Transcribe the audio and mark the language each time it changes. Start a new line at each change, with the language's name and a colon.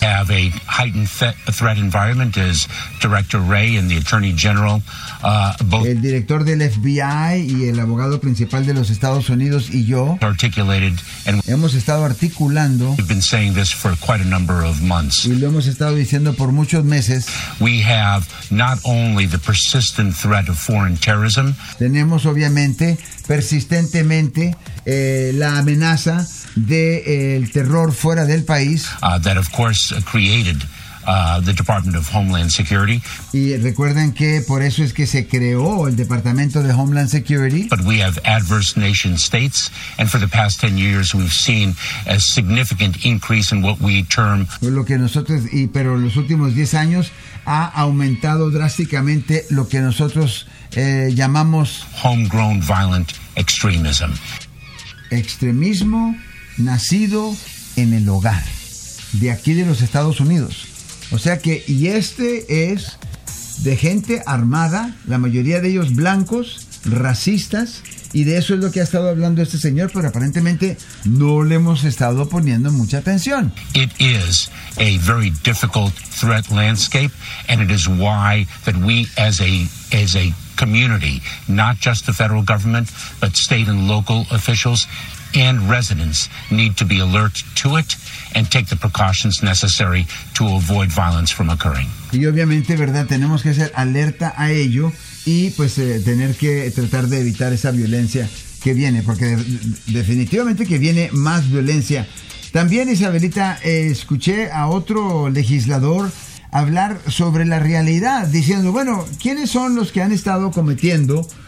English: We have a heightened threat environment as Director Wray and the Attorney General both
Spanish: El director del FBI y el abogado principal de los Estados Unidos y yo
English: articulated and
Spanish: hemos estado articulando.
English: We've been saying this for quite a number of months.
Spanish: Y lo hemos estado diciendo por muchos meses.
English: We have not only the persistent threat of foreign terrorism.
Spanish: Tenemos obviamente persistentemente la amenaza de el terror fuera del país.
English: That of course created the Department of Homeland Security.
Spanish: Y recuerden que por eso es que se creó el Departamento de Homeland Security.
English: But we have adverse nation states, and for the past 10 years we've seen a significant increase in what we term
Spanish: lo que nosotros y pero los últimos 10 años ha aumentado drásticamente lo que nosotros llamamos
English: homegrown violent extremism.
Spanish: Extremismo nacido en el hogar, de aquí de los Estados Unidos. O sea que, y este es de gente armada, la mayoría de ellos blancos, racistas, y de eso es lo que ha estado hablando este señor, pero aparentemente no le hemos estado poniendo mucha atención.
English: It is a very difficult threat landscape, and it is why that we as a community, not just the federal government, but state and local officials and residents need to be alert to it and take the precautions necessary to avoid violence from occurring.
Spanish: Y obviamente, ¿verdad?, tenemos que ser alerta a ello y pues tener que tratar de evitar esa violencia que viene, porque definitivamente que viene más violencia. También, Isabelita, escuché a otro legislador hablar sobre la realidad, diciendo, bueno, ¿quiénes son los que han estado cometiendo?